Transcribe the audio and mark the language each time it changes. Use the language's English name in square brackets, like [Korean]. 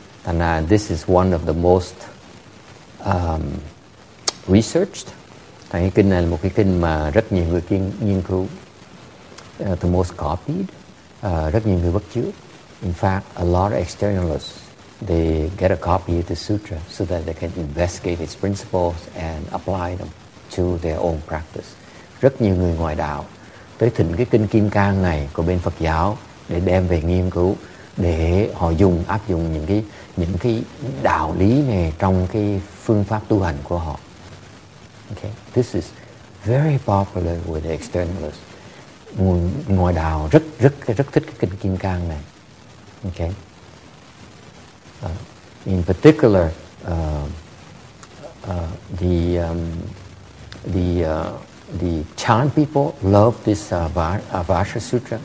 [English] And this is one of the most researched. [Vietnamese] Thành cái kinh này là một cái kinh mà rất nhiều người nghiên cứu. [English] The most copied. [Vietnamese] Rất nhiều người bắt chước. [English] In fact, a lot of externalists, they get a copy of the sutra so that they can investigate its principles and apply them to their own practice. [Vietnamese] Rất nhiều người ngoại đạo tới thỉnh cái kinh Kim Cang này của bên Phật giáo để đem về nghiên cứu để họ dùng áp dụng những cái đạo lý này trong cái phương pháp tu hành của họ. [English] Okay, this is very popular with the externalists. [Vietnamese] Ngoại đạo rất thích cái kinh Kim Cang này. [English] Okay. In particular the Chan people love this Vajra Sutra.